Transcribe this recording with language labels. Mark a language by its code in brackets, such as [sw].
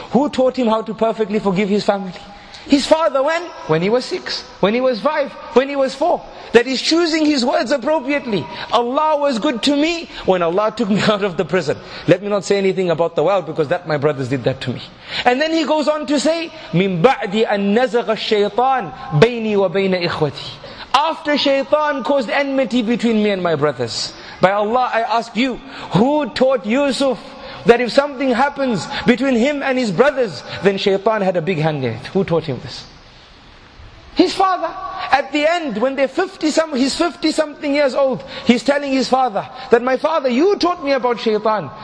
[en] Who taught him how to perfectly forgive his family? His father. When? When he was 6. When he was 5. When he was 4. That is choosing his words appropriately. Allah was good to me when Allah took me out of the prison. Let me not say anything about the world because that my brothers did that to me. And then he goes on to say, [ar] مِن بَعْدِ أَن نَزَغَ الشَّيْطَانِ بَيْنِي وَبَيْنَ إِخْوَتِي. [en] After shaitan caused enmity between me and my brothers. By Allah, I ask you, who taught Yusuf that if something happens between him and his brothers, then shaitan had a big hand in it? Who taught him this? His father. At the end, when they're 50 something years old, he's telling his father that, my father, you taught me about shaitan.